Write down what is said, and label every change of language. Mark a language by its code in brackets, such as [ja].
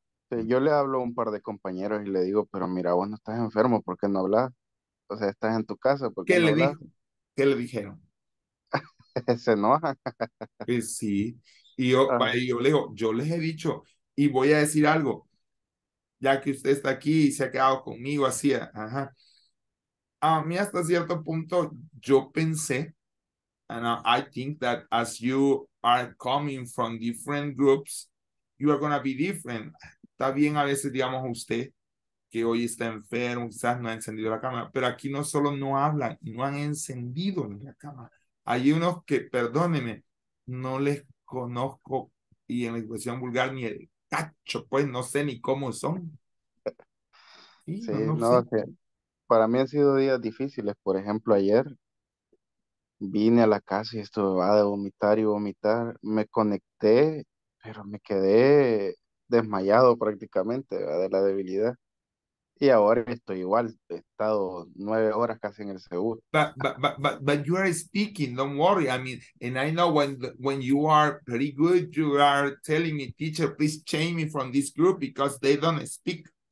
[es] Sí, yo le hablo a un par de compañeros y le digo, pero mira, vos no estás enfermo, ¿por qué no hablas? O sea, estás en tu casa, ¿por qué no hablas? ¿Qué le dijeron? Se enoja. Pues sí, y yo les he dicho, y voy a decir algo, ya que usted está aquí y se ha quedado conmigo así, ajá. A mí hasta cierto punto yo pensé, [en] and I think that as you are coming from different groups, you are going to be different. [es] Está bien a veces, digamos, usted, que hoy está enfermo, quizás no ha encendido la cámara, pero aquí no solo no hablan, no han encendido ni la cámara. Hay unos que, perdónenme, no les conozco, y en la expresión vulgar, ni el cacho, pues no sé ni cómo son. Sí, para mí han sido días difíciles. Por ejemplo, ayer vine a la casa y estuve de vomitar y vomitar. Me conecté, pero me quedé desmayado prácticamente, ¿verdad? De la debilidad. Y ahora estoy igual, he estado 9 horas casi en el seguro. [en] But you are speaking, don't worry. I mean, and I know when you are pretty good, you are telling me, teacher, please change me from this group because they don't speak.